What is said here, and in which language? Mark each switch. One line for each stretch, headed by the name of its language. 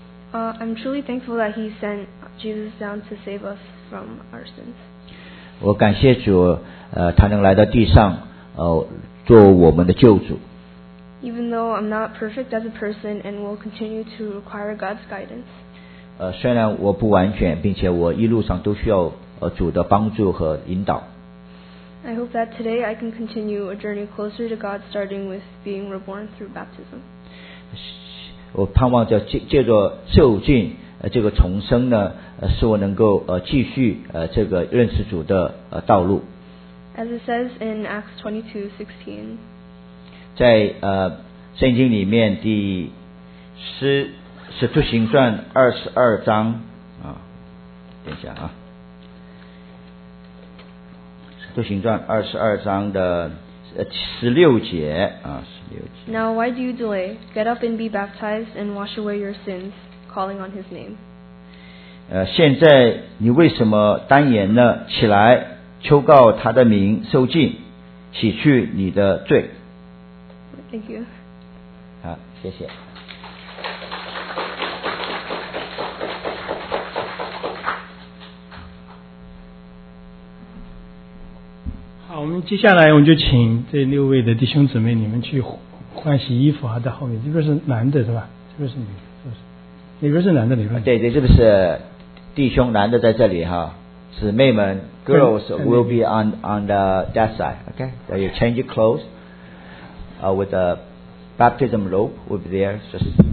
English: I'm truly thankful that He sent Jesus down to save us from our sins.
Chinese: 我感谢主，他能来到地上，做我们的救主。
English: Even though I'm not perfect as a person and will continue to require God's guidance.
Chinese: 虽然我不完全，并且我一路上都需要主的帮助和引导。
English: I hope that today I can continue a journey closer to God, starting with being reborn through baptism.
Chinese: 我盼望着借着受浸这个重生呢，使我能够继续这个认识主的道路。
English: As it says in Acts 22:16.
Chinese: 在圣经里面第使徒行传二十二章啊，等一下啊，使徒行传二十二章的十六节啊，十六节。
English: Now why do you delay? Get up and be baptized and wash away your sins, calling on His name.
Chinese: 现在你为什么单言呢？起来，求告他的名，受浸，洗去你的罪。
English: Thank you.
Chinese: 好，谢谢。好，我们接下来我们就请这六位的弟兄姊妹，你们去换洗衣服啊，在后面。这边是男的，是吧？这边是女的，是不是？哪边是男的，哪边？对对，这边是弟兄，男的在这里哈。姊妹们
English: ，girls will be on the that side. Okay, you change your clothes. With the baptism robe will be there. Just